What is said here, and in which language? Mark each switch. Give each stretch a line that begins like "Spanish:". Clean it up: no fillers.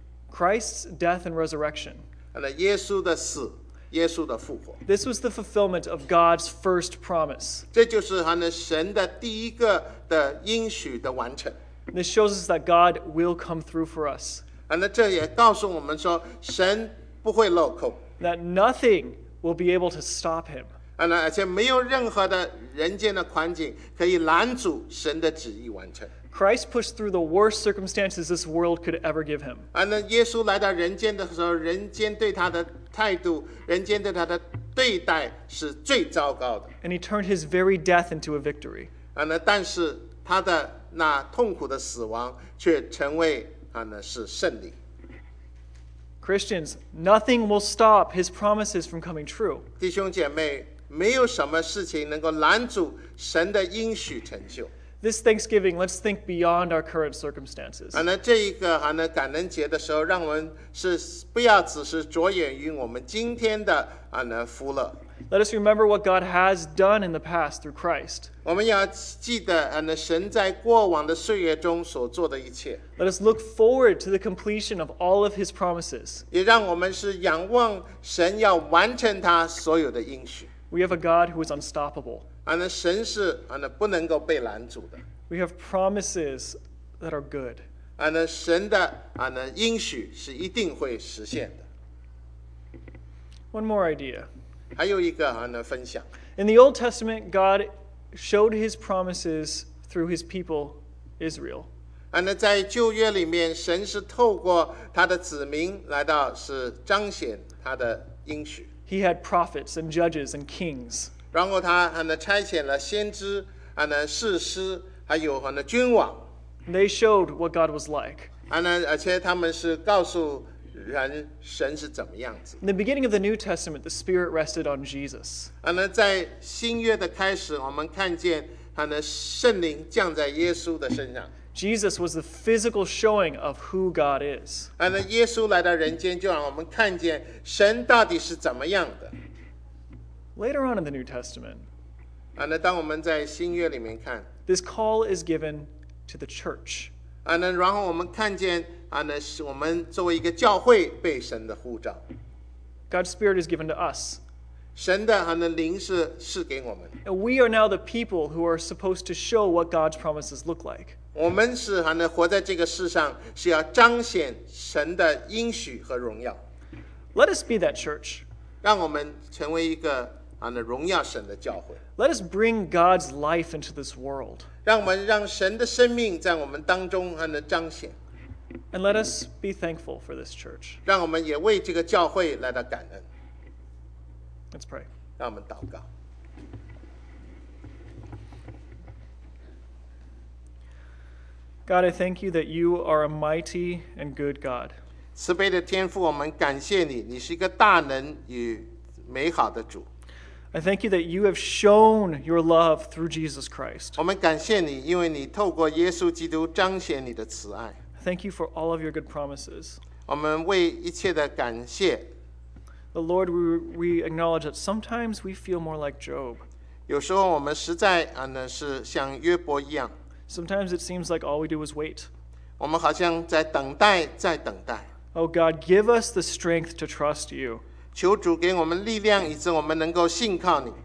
English: Christ's death and resurrection.
Chinese: 耶稣的死，耶稣的复活。
English: This was the fulfillment of God's first promise.
Chinese: 这就是神的第一个的应许的完成。
English: This shows us that God will come through for us.
Chinese: 这也告诉我们说神不会漏口。
English: That nothing will be able to stop him.
Chinese: 而且没有任何的人间的环境可以拦阻神的旨意完成。
English: Christ pushed through the worst circumstances this world could ever give him.
Chinese: 耶稣来到人间的时候，人间对他的态度，人间对他的对待是最糟糕的。
English: And he turned his very death into a victory.
Chinese: 但是他的那痛苦的死亡却成为是胜利。
English: Christians, nothing will stop his promises from coming true.
Chinese: 弟兄姐妹，没有什么事情能够拦阻神的应许成就。
English: This Thanksgiving, let's think beyond our current circumstances.
Chinese: 这一个感恩节的时候，让我们是不要只是着眼于我们今天的福乐。
English: Let us remember what God has done in the past through Christ.
Chinese: 我们要记得神在过往的岁月中所做的一切。
English: Let us look forward to the completion of all of his promises.
Chinese: 也让我们是仰望神要完成他所有的应许。
English: We have a God who is unstoppable.
Chinese: 神是不能够被拦阻的。
English: We have promises that are good.
Chinese: 神的应许是一定会实现的。
English: One more idea.
Chinese: 还有一个分享。
English: In the Old Testament, God showed his promises through his people, Israel.
Chinese: 在旧约里面，神是透过他的子民来到是彰显他的应许。
English: He had prophets and judges and kings.
Chinese: 然后他差遣了先知、士师还有君王。
English: They showed what God was like.
Chinese: 而且他们是告诉人神是怎么样子。
English: In the beginning of the New Testament, the Spirit rested on Jesus.
Chinese: 在新约的开始，我们看见圣灵降在耶稣的身上。
English: Jesus was the physical showing of who God is.
Chinese: 那耶稣来到人间，就让我们看见神到底是怎么样的。
English: Later on in the New Testament,
Chinese: 那当我们在新约里面看，
English: this call is given to the church.
Chinese: 那然后我们看见，那是我们作为一个教会被神的呼召。
English: God's Spirit is given to us.
Chinese: 神的灵是赐给我们。
English: And we are now the people who are supposed to show what God's promises look like.
Chinese: 我们是活在这个世上，是要彰显神的应许和荣耀。
English: Let us be that church.
Chinese: 让我们成为一个荣耀神的教会。
English: Let us bring God's life into this world.
Chinese: 让我们让神的生命在我们当中彰显。
English: And let us be thankful for this church.
Chinese: 让我们也为这个教会来到感恩。
English: Let's pray.
Chinese: 让我们祷告。
English: God, I thank you that you are a mighty and good God.
Chinese: 慈悲的天父，我们感谢你，你是一个大能与美好的主。
English: I thank you that you have shown your love through Jesus Christ.
Chinese: 我们感谢你，因为你透过耶稣基督彰显你的慈爱。
English: Thank you for all of your good promises.
Chinese: 我们为一切的感谢。
English: The Lord, we acknowledge that sometimes we feel more like Job.
Chinese: 有时候我们实在是像约伯一样。
English: Sometimes it seems like all we do is wait.
Chinese: 我们好像在等待，在等待。
English: Oh God, give us the strength to trust you.
Chinese: 求主给我们力量，以致我们能够信靠你。